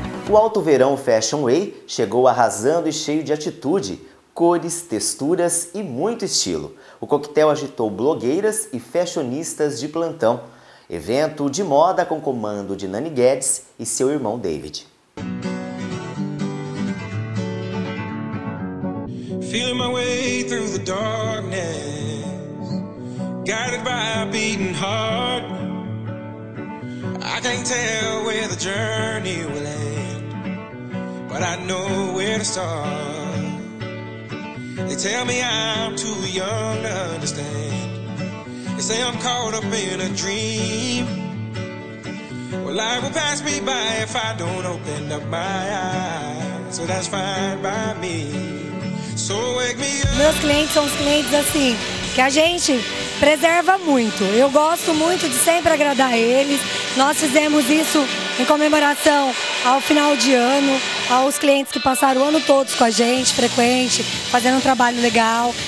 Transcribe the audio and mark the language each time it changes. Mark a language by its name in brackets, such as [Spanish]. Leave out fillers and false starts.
[Portuguese] O Alto Verão Fashion Way chegou arrasando e cheio de atitude, cores, texturas e muito estilo. O coquetel agitou blogueiras e fashionistas de plantão. Evento de moda com comando de Nani Guedes e seu irmão David. [English] Feeling my way through the darkness, guided by a beating heart. I can't tell where the journey will end. But I know where to start. They tell me I'm too young to understand. They say I'm caught up in a dream. Well, life will pass me by if I don't open up my eyes. So that's fine by me. So wake me up. [Portuguese] Meus clientes são os clientes assim, que a gente preserva muito. Eu gosto muito de sempre agradar eles. Nós fizemos isso em comemoração ao final de ano, aos clientes que passaram o ano todo com a gente, frequente, fazendo um trabalho legal.